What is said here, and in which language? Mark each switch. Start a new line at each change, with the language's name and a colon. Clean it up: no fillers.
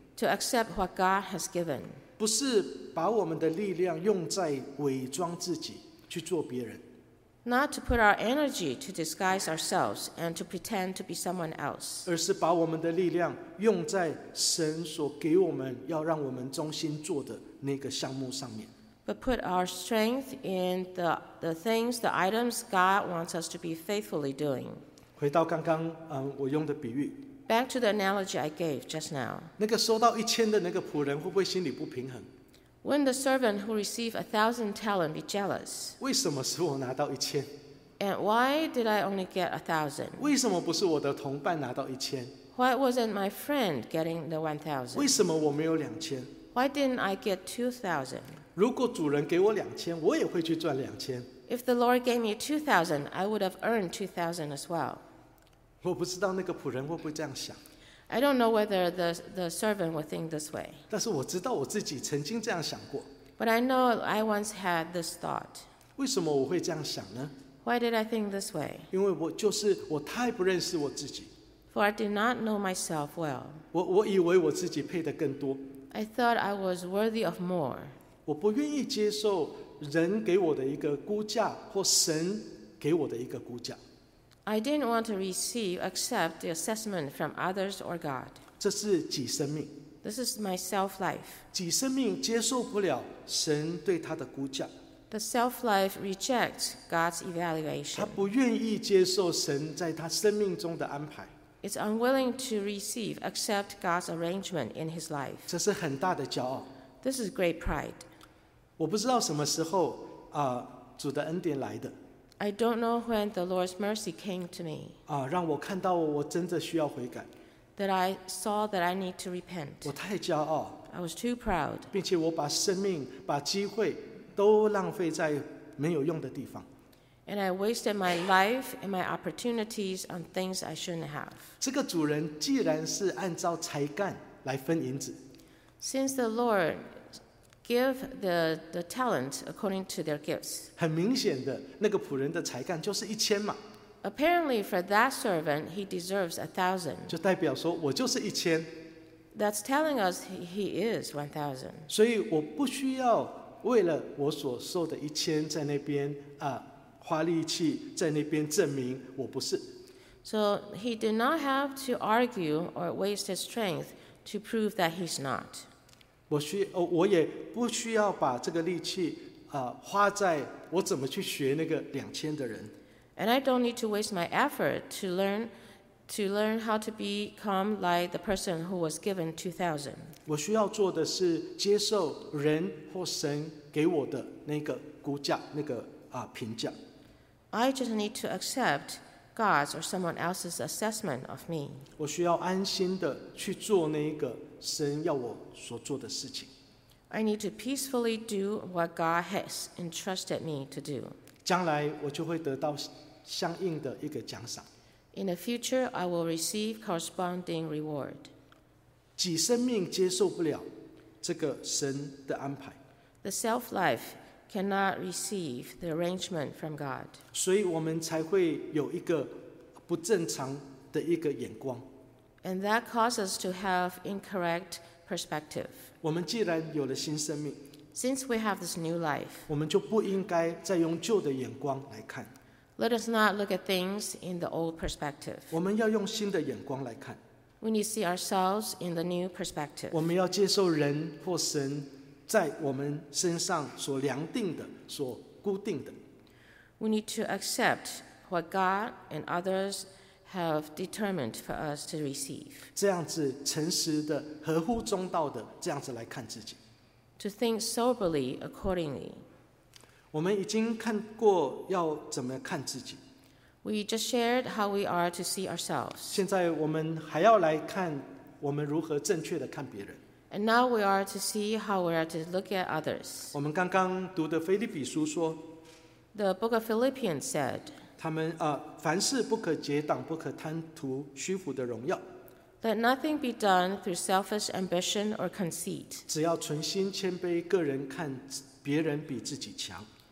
English: To accept what God has given.
Chinese: 不是把我们的力量用在伪装自己去做别人。
English: Not to put our energy to disguise ourselves and to pretend to be someone else.
Chinese: 而是把我们的力量用在神所给我们要让我们忠心做的那个项目上面。
English: But put our strength in the things, the items God wants us to be faithfully doing.
Chinese: 回到刚刚我用的比喻。
English: Back to the analogy I gave just now.
Chinese: 那个收到一千的那个仆人会不会心里不平衡？
English: Wouldn't the servant who received 1,000 talents be jealous?
Chinese: 为什么是我拿到一千？
English: And why did I only get 1,000?
Chinese: 为什么不是我的同伴拿到一千？
English: Why wasn't my friend getting the 1,000?
Chinese: 为什么我没有2,000？
English: Why didn't I get 2,000?
Chinese: 如果主人给我2,000，我也会去赚2,000。
English: If the Lord gave me 2,000, I would have earned 2,000 as well.
Chinese: 我不知道那个仆人会不会这样想。
English: I don't know whether the servant would think this way.
Chinese: 但是我知道我自己曾经这样想过。
English: But I know I once had this thought.
Chinese: 为什么我会这样想呢？
English: Why did I think this way?
Chinese: 因为我太不认识我自己。
English: For I did not know myself well.
Chinese: 我以为我自己配得更多。
English: I thought I was worthy of more.
Chinese: 我不愿意接受人给我的一个估价或神给我的一个估价。
English: I didn't want to receive, accept the assessment from others or God.
Chinese: 这是己生命。
English: This is my self life.
Chinese: 己生命接受不了神对他的估价。
English: The self life rejects God's evaluation.
Chinese: 他不愿意接受神在他生命中的安排。
English: It's unwilling to receive, accept God's arrangement in his life.
Chinese: 这是很大的骄傲。
English: This is great pride.
Chinese: 我不知道什么时候主的恩典来的。
English: I don't know when the Lord's mercy came to me.
Chinese: 让我看到我真的需要悔改。
English: That I saw that I need to repent.
Chinese: 我太骄傲。
English: I was too proud.
Chinese: 并且我把生命、把机会都浪费在没有用的地方。
English: And I wasted my life and my opportunities on things I shouldn't have.
Chinese: 这个主人既然是按照才干来分银子。
English: Since the Lord gives the talent according to their gifts.
Chinese: 很明显的，那个仆人的才干就是一千嘛。
English: Apparently, for that servant, he deserves 1,000.
Chinese: 就代表说我就是一千。
English: That's telling us he is 1,000.
Chinese: 所以我不需要为了我所受的一千在那边花力气在那边证明我不是。
English: So he did not have to argue or waste his strength to prove that he's not.
Chinese: 我也不需要把这个力气花在我怎么去学那个两千的人。
English: And I don't need to waste my effort to learn how to become like the person who was given 2,000.
Chinese: 我需要做的是接受人或神给我的那个估价，那个评价。
English: I just need to accept God's or someone else's assessment of me.
Chinese: 我需要安心的去做那个神要我所做的事情。
English: I need to peacefully do what God has entrusted me to do.
Chinese: 将来我就会得到相应的一个奖赏。
English: In the future, I will receive corresponding reward.
Chinese: 己生命接受不了这个神的安排。
English: The self-life cannot receive the arrangement from God.
Chinese: 所以我们才会有一个不正常的一个眼光。
English: And that causes us to have incorrect perspective.
Chinese: 我们既然有了新生命，
English: Since we have this new life,
Chinese: 我们就不应该再用旧的眼光来看。
English: Let us not look at things in the old perspective.
Chinese: 我们要用新的眼光来看。
English: We need to see ourselves in the new perspective.
Chinese: 我们要接受人或神在我们身上所量定的、所固定的。
English: We need to accept what God and others have determined for us to receive.
Chinese: 这样子诚实的、合乎中道的，这样子来看自己。
English: To think soberly accordingly.
Chinese: 我们已经看过要怎么看自己。
English: We just shared how we are to see ourselves.
Chinese: 现在我们还要来看我们如何正确的看别人。
English: And now we are to see how we are to look at others.
Chinese: 我们刚刚读的腓立比书说。
English: The book of Philippians said.
Chinese: 他们凡事不可结党，不可贪图虚浮的荣耀。
English: Let nothing be done through selfish ambition or conceit.
Chinese: 只要存心谦卑，个人看别人比自己强。